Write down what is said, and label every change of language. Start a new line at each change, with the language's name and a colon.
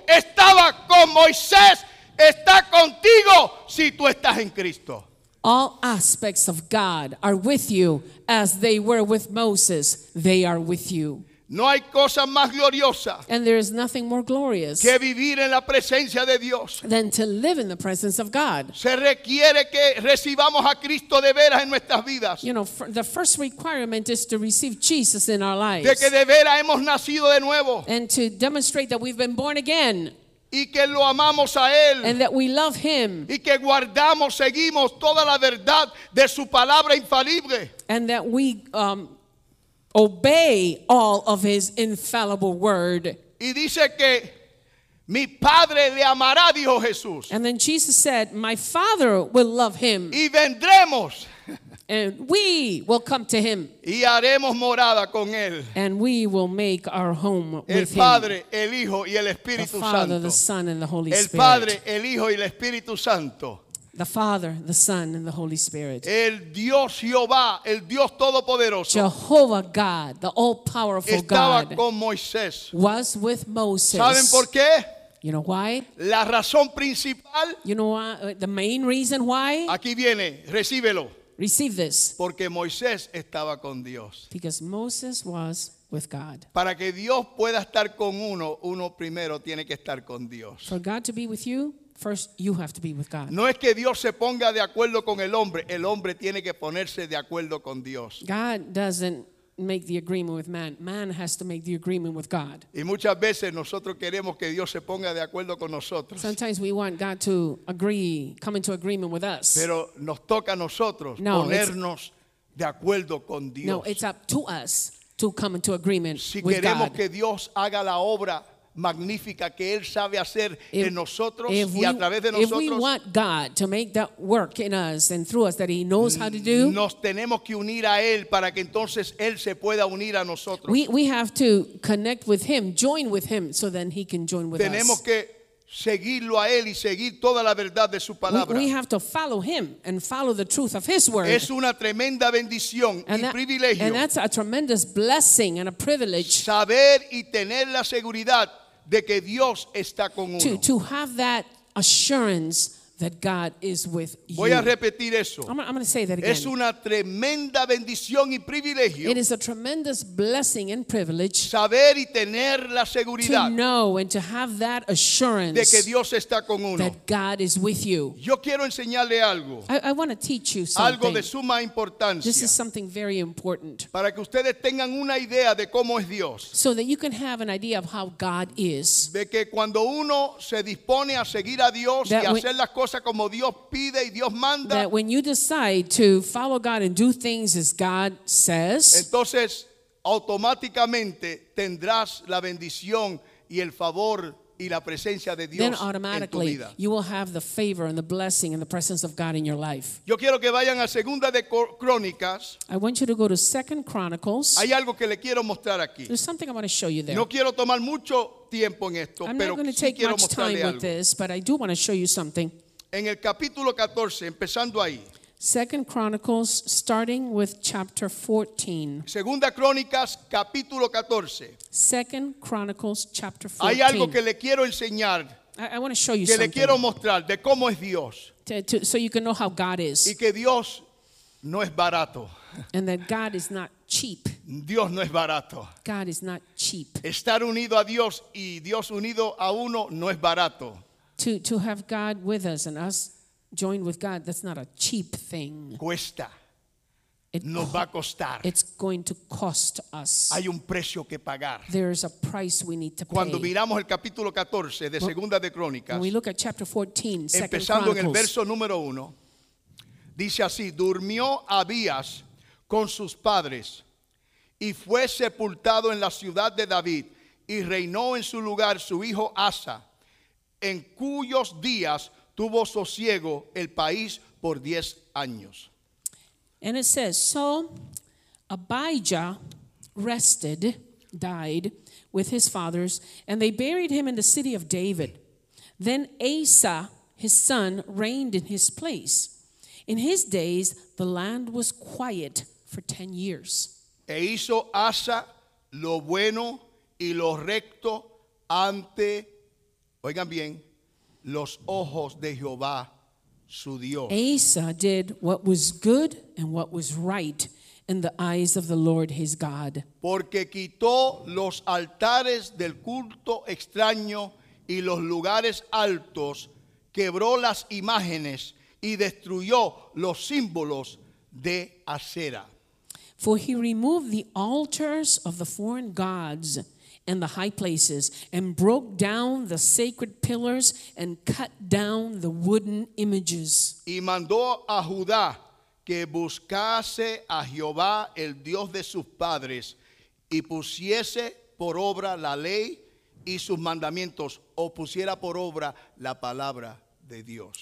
Spanish: Estaba con Moisés. Está contigo si tú estás en Cristo.
English: All aspects of God are with you as they were with Moses. They are with you.
Spanish: No hay cosa más gloriosa.
English: And there is nothing more glorious
Spanish: que vivir en la presencia de Dios.
English: Than to live in the presence of God.
Spanish: Se requiere que recibamos a Cristo de veras en nuestras vidas.
English: You know, the first requirement is to receive Jesus in our lives.
Spanish: De que de veras hemos nacido de nuevo.
English: And to demonstrate that we've been born again.
Spanish: Y que lo amamos a él.
English: And that we love him.
Spanish: Y que guardamos, seguimos toda la verdad de su palabra infalible.
English: And that we obey all of his infallible word.
Spanish: Y dice que mi padre le amará, dijo Jesús.
English: And then Jesus said, my father will love him.
Spanish: Y vendremos.
English: And we will come to him.
Spanish: Y haremos morada con él.
English: And we will make our home
Spanish: el
English: with
Spanish: Padre,
English: him.
Spanish: El Hijo y el Espíritu
English: the Father,
Spanish: Santo.
English: The Son, and the Holy
Spanish: el
English: Spirit.
Spanish: Padre, el Hijo y el Espíritu Santo.
English: The Father, the Son, and the Holy Spirit.
Spanish: El Dios Jehová, el Dios Todopoderoso.
English: Jehovah God, the all-powerful
Spanish: estaba
English: God.
Spanish: Estaba con Moisés.
English: Was with Moses.
Spanish: ¿Saben por qué?
English: You know why?
Spanish: La razón principal.
English: You know why? The main reason why?
Spanish: Aquí viene, recíbelo.
English: Receive this.
Spanish: Porque Moisés estaba con Dios.
English: Because Moses was with God.
Spanish: Para que Dios pueda estar con uno, uno primero tiene que estar con Dios.
English: For God to be with you, first you have to be with God.
Spanish: No es que Dios se ponga de acuerdo con el hombre tiene que ponerse de acuerdo con Dios.
English: God doesn't make the agreement with man. Man has to make the agreement with God.
Spanish: Y muchas veces nosotros queremos que Dios se ponga de acuerdo con nosotros.
English: Sometimes we want God to agree, come into agreement with us.
Spanish: Pero nos toca a nosotros no, ponernos de acuerdo con Dios.
English: No, it's up to us to come into agreement
Spanish: si
English: with God.
Spanish: Si queremos que Dios haga la obra magnífica que él sabe hacer en nosotros y a través de nosotros.
English: If we want God to make that work in us and through us that he knows how to do,
Spanish: nos tenemos que unir a él para que entonces él se pueda unir a nosotros.
English: We have to connect with him, join with him, so then he can join with
Spanish: tenemos
English: us.
Spanish: Tenemos que seguirlo a él y seguir toda la verdad de su palabra.
English: We have to follow him and follow the truth of his word.
Spanish: Es una tremenda bendición
English: and
Spanish: y
English: that,
Spanish: privilegio.
English: And that's a tremendous blessing and a privilege.
Spanish: Saber y tener la seguridad de que Dios está con uno.
English: To have that assurance that God is with you.
Spanish: Voy a repetir eso.
English: I'm going to say that again.
Spanish: Es una tremenda bendición y privilegio.
English: It is a tremendous blessing and privilege.
Spanish: Saber y tener la seguridad.
English: To know and to have that assurance.
Spanish: De que Dios está con uno.
English: That God is with you.
Spanish: Yo quiero enseñarle algo.
English: I want to teach you something.
Spanish: Algo de suma importancia.
English: This is something very important.
Spanish: Para que ustedes tengan una idea de cómo es Dios.
English: So that you can have an idea of how God is.
Spanish: De que cuando uno se dispone a seguir a Dios
English: that
Spanish: y a hacer las cosa como Dios pide y Dios manda.
English: That when you decide to follow God and do things as God says,
Spanish: entonces automáticamente tendrás la bendición y el favor y la presencia de Dios en tu vida.
English: Then automatically you will have the favor and the blessing and the presence of God in your life.
Spanish: Yo quiero que vayan a Segunda de Crónicas.
English: I want you to go to Second Chronicles.
Spanish: Hay algo que le quiero mostrar aquí.
English: There's something I want to show you there.
Spanish: No quiero tomar mucho tiempo en esto,
English: I'm
Spanish: pero
English: not going to take
Spanish: sí
English: much time with this, but I do want to show you something.
Spanish: En el capítulo 14, empezando ahí.
English: Second Chronicles, starting with chapter 14.
Spanish: Segunda Crónicas, capítulo 14.
English: Second Chronicles, chapter 14.
Spanish: Hay algo que le quiero enseñar.
English: I want to show you
Spanish: que
English: something.
Spanish: Le quiero mostrar de cómo es Dios.
English: So you can know how God is.
Spanish: Y que Dios no es barato.
English: And that God is not cheap.
Spanish: Dios no es barato.
English: God is not cheap.
Spanish: Estar unido a Dios y Dios unido a uno no es barato.
English: To have God with us and us joined with God, that's not a cheap thing.
Spanish: Cuesta. Nos va a costar.
English: It's going to cost us.
Spanish: Hay un precio que pagar.
English: There is a price we need to pay.
Spanish: Cuando miramos el capítulo 14 de Segunda de Crónicas,
English: when we look at chapter 14,
Spanish: empezando en el verso número 1, dice así: durmió Abías con sus padres y fue sepultado en la ciudad de David, y reinó en su lugar su hijo Asa, en cuyos días tuvo sosiego el país por 10 años.
English: And it says, so Abijah rested, died with his fathers, and they buried him in the city of David. Then Asa, his son, reigned in his place. In his days, the land was quiet for 10 years.
Spanish: E hizo Asa lo bueno y lo recto ante, oigan bien, los ojos de Jehová.
English: Asa did what was good and what was right in the eyes of the Lord his God.
Spanish: Porque quitó los altares del culto extraño y los lugares altos, quebró las imágenes y destruyó los símbolos de Asera.
English: For he removed the altars of the foreign gods and the high places, and broke down the sacred pillars, and cut down the wooden images.
Spanish: Y mandó a Judá que buscase a Jehová, el Dios de sus padres, y pusiese por obra la ley y sus mandamientos, o pusiera por obra la palabra de Dios.